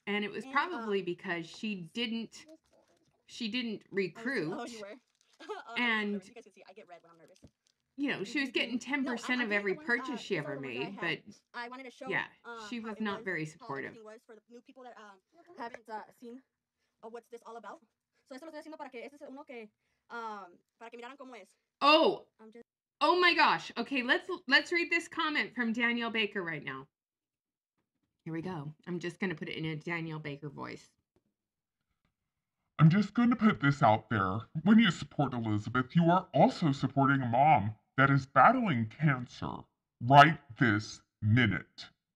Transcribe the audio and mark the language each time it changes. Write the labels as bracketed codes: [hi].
[en] And it was probably because she didn't recruit. Oh, you were. And you guys can see, I get red when I'm nervous. You know, she was getting 10% of every purchase she ever made, but I wanted to show, yeah, she was not very supportive. Was for the new people that haven't seen what's this all about. [es] So esto lo estoy haciendo para que, este es uno que, para que miraran cómo es. [en] Oh, oh my gosh. Okay, let's read this comment from Danielle Baker right now. Here we go. I'm just going to put it in a Danielle Baker voice. I'm just going to put this out there. When you support Elizabeth, you are also supporting a mom that is battling cancer right this minute.